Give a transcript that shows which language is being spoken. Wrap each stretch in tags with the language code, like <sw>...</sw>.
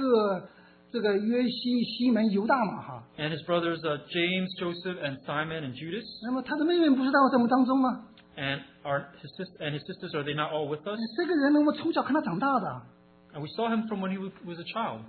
<zh>他的兄弟们不是叫做雅各、这个约西、西门、犹大吗？</zh> <en>And his brothers are James, Joseph, and Simon, and Judas.</en> <zh>那么他的妹妹不是在我们当中吗？</zh> <en>And his sisters, are they not all with us?</en> <zh>这个人我们从小看他长大的。</zh> <en>And we saw him from when he was a child.</en>